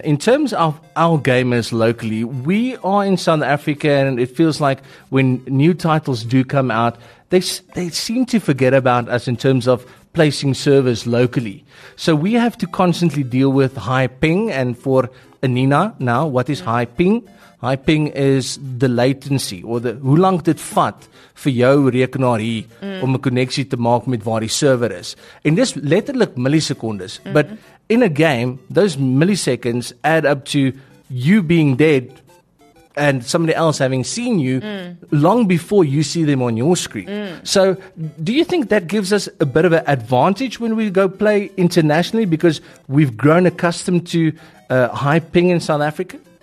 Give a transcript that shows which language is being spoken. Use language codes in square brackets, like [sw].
[en] In terms of our gamers locally, we are in South Africa, and it feels like when new titles do come out, they seem to forget about us in terms of placing servers locally. So we have to constantly deal with high ping. And for Anina now, what is high ping? High ping is the latency, or the [af] hoe lank dit vat vir jou rekenaar hier om 'n koneksie te maak met waar die server is. [en] And this [af] letterlik millisecondes, [en] but in a game, those milliseconds add up to you being dead and somebody else having seen you long before you see them on your screen. Mm. So do you think that gives us a bit of an advantage when we go play internationally because we've grown accustomed to high ping in South Africa?